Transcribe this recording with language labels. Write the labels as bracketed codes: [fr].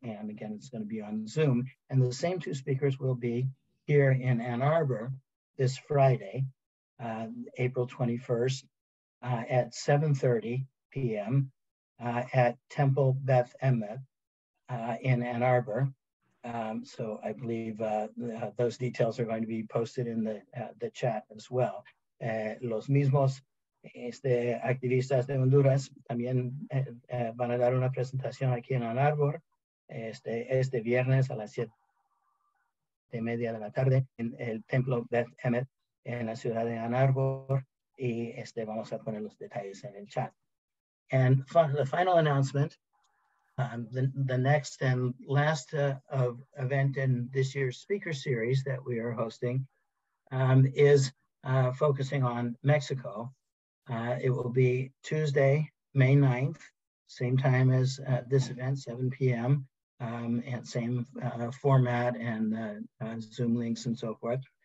[en] And again, it's going to be on Zoom. And the same two speakers will be here in Ann Arbor this Friday, April 21st, at 7:30 p.m. At Temple Beth Emmet in Ann Arbor. So I believe those details are going to be posted in the chat as well. [es] Los mismos activistas de Honduras también van a dar una presentación aquí en Ann Arbor este viernes a las 7:30 de la tarde en el Templo Beth Emmet en la ciudad de Ann Arbor, y vamos a poner los detalles en el chat. [en] And the final announcement, the next and last of event in this year's speaker series that we are hosting is focusing on Mexico. It will be Tuesday, May 9th, same time as this event, 7 p.m., and same format and Zoom links and so forth.